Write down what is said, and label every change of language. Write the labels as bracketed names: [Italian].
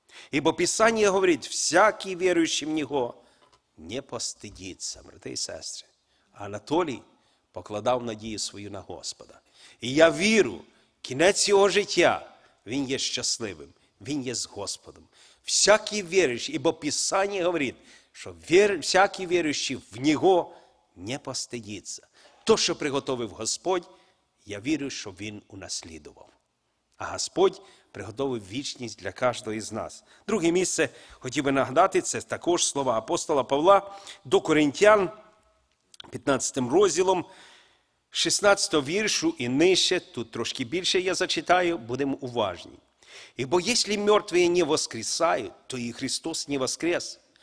[Russian] Ибо Писание говорит, всякий верующий в Него не постыдится, брата и сестры. [Ukrainian] Анатолий покладав надію свою на Господа. [Russian] И я верю, [Ukrainian] кінець его життя, він є щасливим, він є з Господом. [Russian] Всякий верующий, ибо Писание говорит, что всякий верующий в Него не постыдится. То, что приготовил Господь, я верю, что Он [Ukrainian] унаслідував. [Russian] А Господь приготовил вечность для каждого из нас. [Ukrainian] Друге місце хотів би нагадати, це також слова апостола Павла до Коринтян, 15 розділом, 16 віршу і нижче, тут трошки більше я зачитаю, будемо уважні. Ібо якщо мертві не воскресають, то і Христос не воскрес.